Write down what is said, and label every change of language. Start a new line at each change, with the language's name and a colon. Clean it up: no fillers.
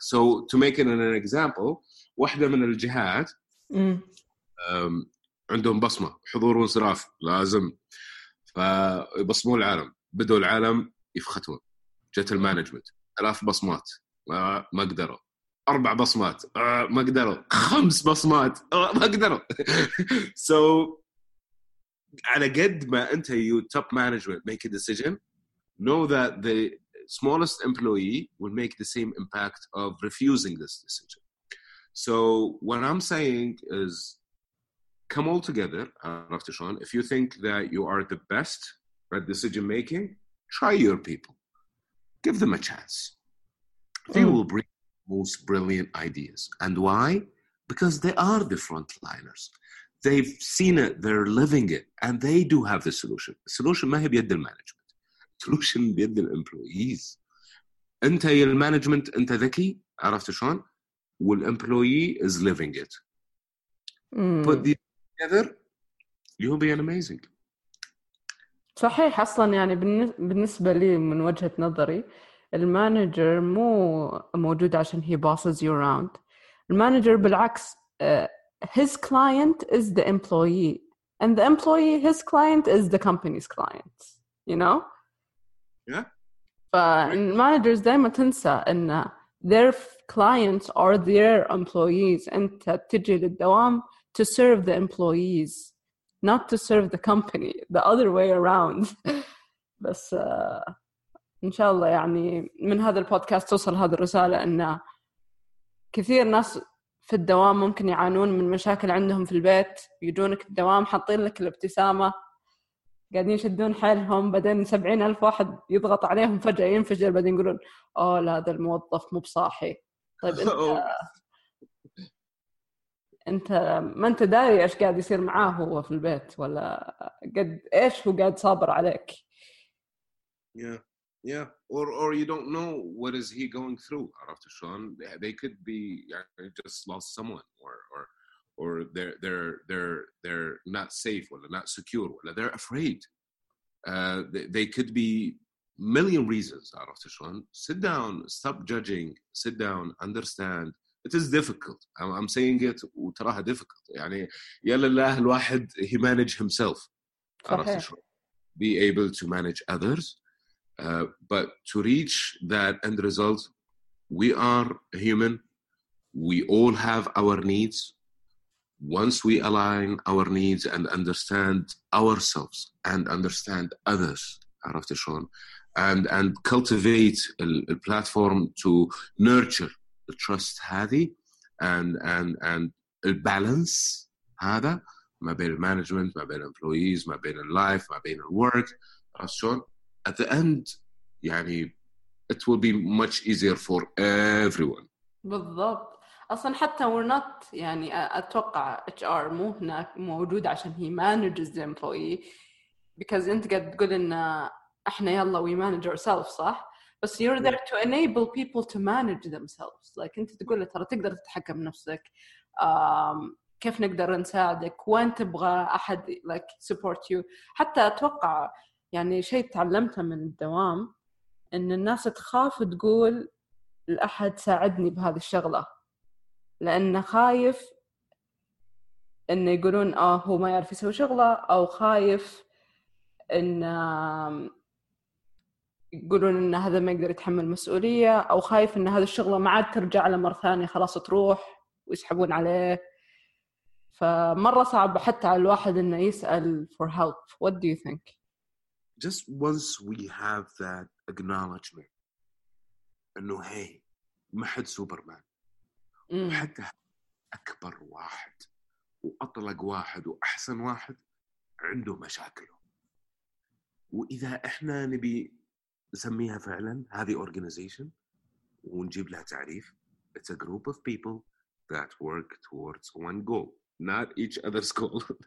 English: So to make it an example,
Arabic: واحدة من الجهات عندهم بصمة حضور وانصراف لازم، فبصموا العالم، بدوا العالم يفختون. جت المانجمنت 1000 بصمات ما قدروا، 4 بصمات ما قدروا، 5 بصمات ما قدروا.
English: So
Arabic: على قد ما أنت
English: you top management make a decision, know that the smallest employee will make the same impact of refusing this decision. So what I'm saying is come all together,
Arabic: عرفت شلون.
English: If you think that you are the best at decision making, try your people. Give them a chance. They will bring most brilliant ideas. And why? Because they are the frontliners. They've seen it, they're living it, and they do have the solution. The solution
Arabic: ما هي بيد المانجمنت. Solution بيد الامبلويز. أنت يا المانجمنت أنت ذكي، عرفت شلون؟ والامبلوي
English: is living it. Put these together, you'll be an amazing.
Arabic: صحيح. اصلا يعني بالنسبه لي من وجهه نظري المانجر مو موجود عشان هي
English: bosses you around.
Arabic: المانجر بالعكس
English: his client is the employee and the employee his client is the company's client, you know.
Arabic: فالمانجرز دائما تنسى ان
English: their clients are their employees.
Arabic: انت تجي للدوام
English: to serve the employees, not to serve the company, the other way around.
Arabic: بس إن شاء الله يعني من هذا البودكاست توصل هذه الرسالة، أن كثير ناس في الدوام ممكن يعانون من مشاكل عندهم في البيت، يجونك الدوام حاطين لك الابتسامة، قاعدين يشدون حالهم، بعدين 70,000 واحد يضغط عليهم فجأة ينفجر، بعدين يقولون أوه لا هذا الموظف مو بصاحي. طيب أنت انت ما انت داري ايش قاعد يصير معاه هو في البيت، ولا قد ايش هو قاعد صابر عليك.
English: Yeah or you don't know what is he going through.
Arabic: عرفت شلون؟
English: They could be يعني just lost someone or they're not safe ولا not secure ولا they're afraid. They could be million reasons.
Arabic: عرفت شلون؟
English: Sit down, stop judging, sit down, understand. It is difficult. I'm saying it وتراها difficult.
Arabic: يعني يا لله الواحد
English: he manage himself.
Arabic: صحيح.
English: Be able to manage others. But to reach that end result, we are human. We all have our needs. Once we align our needs and understand ourselves and understand others,
Arabic: عرفت شلون,
English: and cultivate a platform to nurture the trust هذه and balance هذا ما بين management ما بين employees ما بين life ما بين work. At the end يعني it will be much easier for everyone.
Arabic: بالضبط. أصلا حتى
English: we're not
Arabic: يعني أتوقع HR مو هناك موجود عشان
English: he manages the employee, because
Arabic: أنت قد تقول إن إحنا يلا
English: we manage ourselves
Arabic: صح.
English: But you're there to enable people to manage themselves.
Arabic: Like, أنت تقول لي ترى تقدر تتحكم نفسك. كيف نقدر نساعدك؟ وين تبغى أحد
English: like support you؟
Arabic: حتى أتوقع يعني شيء تعلمته من الدوام إن الناس تخاف تقول لأحد ساعدني بهذه الشغلة، لأن خايف إن يقولون آه هو ما يعرف يسوي شغلة، أو خايف إن يقولون ان هذا ما يقدر يتحمل مسؤولية، او خايف ان هذا الشغلة ما عاد ترجع له مرة ثانية، خلاص تروح ويسحبون عليه. فمرة صعب حتى على الواحد انه يسأل
English: for help. What do you think? Just once we have that acknowledgement
Arabic: انه hey ما حد سوبرمان، حتى اكبر واحد واطلق واحد واحسن واحد عنده مشاكله. واذا احنا نبي نسميها فعلا هذه organization ونجيب لها تعريف,
English: it's a group of people that work towards one goal, not each other's goal.